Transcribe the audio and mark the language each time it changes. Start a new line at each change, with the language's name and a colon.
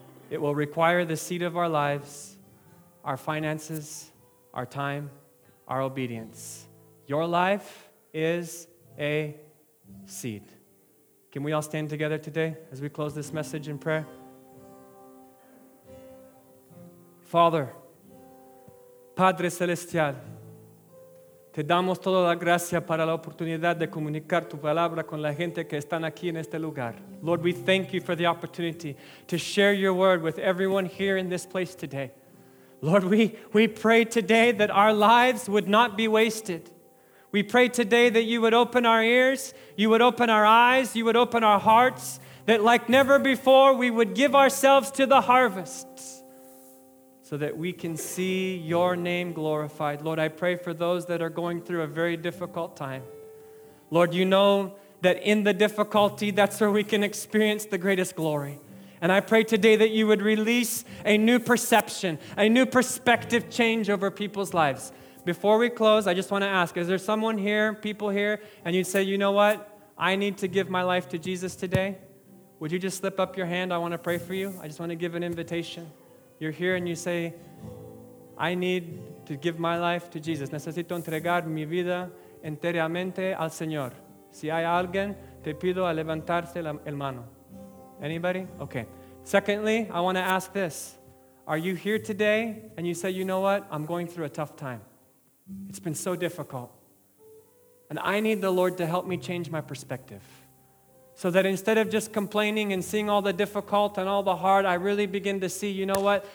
English: It will require the seed of our lives, our finances, our time, our obedience. Your life is a seed. Can we all stand together today as we close this message in prayer? Father,
Spanish: Padre Celestial, te damos toda la gracia para la oportunidad de comunicar tu palabra con la gente que están aquí en este lugar.
English: Lord, we thank you for the opportunity to share your word with everyone here in this place today. Lord, we pray today that our lives would not be wasted. We pray today that you would open our ears, you would open our eyes, you would open our hearts, that like never before, we would give ourselves to the harvest so that we can see your name glorified. Lord, I pray for those that are going through a very difficult time. Lord, you know that in the difficulty, that's where we can experience the greatest glory. And I pray today that you would release a new perception, a new perspective change over people's lives. Before we close, I just want to ask, is there someone here, people here, and you'd say, you know what? I need to give my life to Jesus today. Would you just slip up your hand? I want to pray for you. I just want to give an invitation. You're here and you say, I need to give my life to Jesus.
Spanish: Necesito entregar mi vida enteramente al Señor. Si hay alguien, te pido a levantarse la mano.
English: Anybody? Okay. Secondly, I want to ask this. Are you here today and you say, you know what? I'm going through a tough time. It's been so difficult. And I need the Lord to help me change my perspective. So that instead of just complaining and seeing all the difficult and all the hard, I really begin to see, you know what?